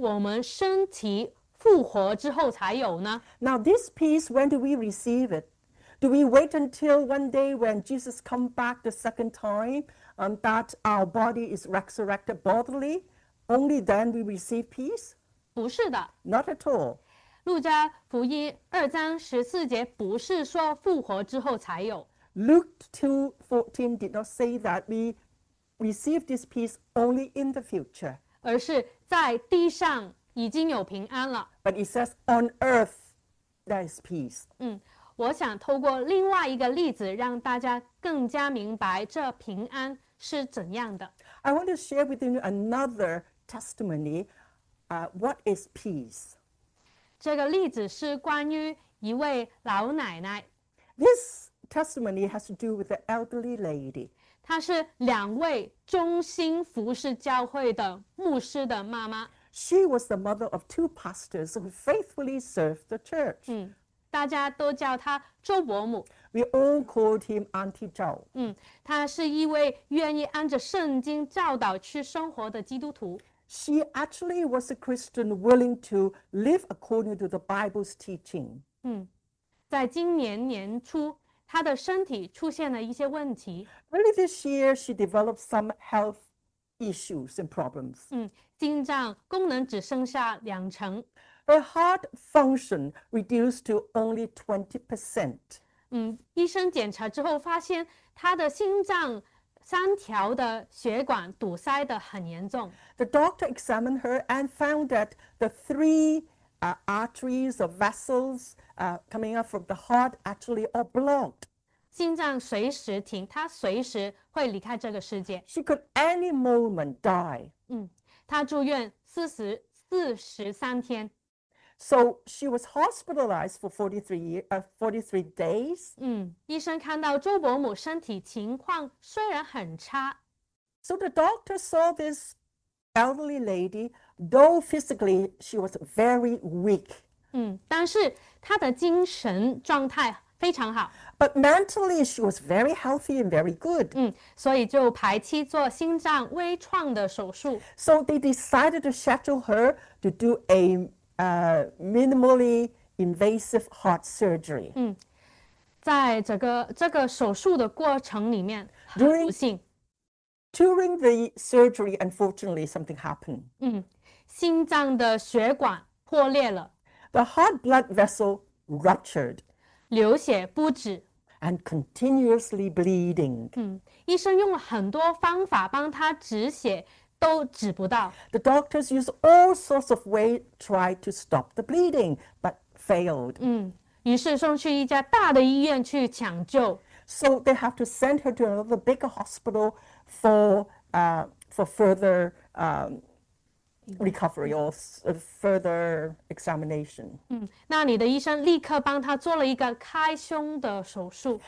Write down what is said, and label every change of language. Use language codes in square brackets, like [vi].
[zh] 那这份的平安是不是要等到将来主耶稣再来我们身体复活之后才有呢? [en] Now this peace, when do we receive it? Do we wait until one day when Jesus comes back the second time and that our body is resurrected bodily? Only then we receive peace? [zh] 不是的, [en] not at all. [zh] 路加福音2章14节不是说复活之后才有。 [en] Luke 2:14 did not say that we receive this peace only in the future. [zh] 而是在地上已经有平安了。 [en] But it says on earth there is peace. [zh] 我想透过另外一个例子让大家更加明白这平安是怎样的。 [en] I want to share with you another testimony What is peace? [zh] 这个例子是关于一位老奶奶。 [en] This testimony has to do with the elderly lady. [zh] 她是两位忠心服侍教会的牧师的妈妈。 [en] She was the mother of two pastors who faithfully served the church. [zh] 大家都叫她周伯母。 [en] We all called him Auntie Zhao. [zh] 她是一位愿意按着圣经教导去生活的基督徒。 [en] She actually was a Christian willing to live according to the Bible's teaching. [zh] 在今年年初，她的身体出现了一些问题。 [en] Early this year, she developed some health issues and problems. [zh] 心脏功能只剩下两成。 [en] Her heart function reduced to only 20%. [zh] 医生检查之后发现她的心脏三条的血管堵塞得很严重。 [en] The doctor examined her and found that the three arteries or vessels coming up from the heart actually are blocked. [zh] 心脏随时停，她随时会离开这个世界。 [en] She could any moment die. [zh] 她住院43天。 [en] So she was hospitalized for 43 days. [zh] 医生看到周伯母身体情况虽然很差。 [en] So the doctor saw this elderly lady, though physically she was very weak. [zh] 但是她的精神状态非常好。 [en] But mentally she was very healthy and very good. [zh] 所以就排期做心脏微创的手术。 [en] So they decided to schedule her to do a minimally invasive heart surgery. [zh] 在这个手术的过程里面，很不幸。 [en] During the surgery, unfortunately, something happened. [zh] 心脏的血管破裂了。 [en] The heart blood vessel ruptured. [zh] 流血不止。 [en] And continuously bleeding. [zh] 医生用了很多方法帮他止血，都止不到。 [en] The doctors used all sorts of ways to try to stop the bleeding, but failed. [zh] 于是送去一家大的医院去抢救。 [en] So they have to send her to another bigger hospital for further recovery or further examination. [zh] 那里的医生立刻帮她做了一个开胸的手术。